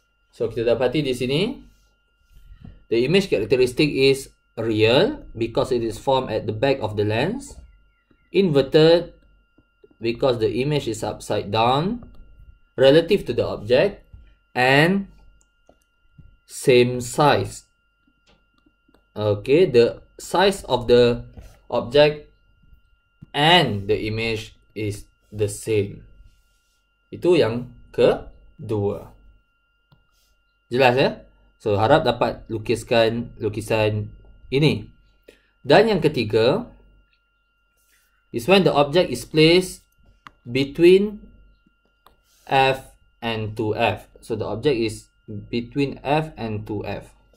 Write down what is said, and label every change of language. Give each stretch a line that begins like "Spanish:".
English: So
Malay: kita dapati di sini
English: the image characteristic is real because it is formed at the back of the lens, inverted because the image is upside down relative to the object, and same size. Okay, the size of the object and the image is the same.
Malay: Itu yang kedua. Jelas ya? So, harap dapat lukiskan lukisan ini. Dan yang ketiga
English: is when the object is placed between F and 2F. So the object is between F and 2F.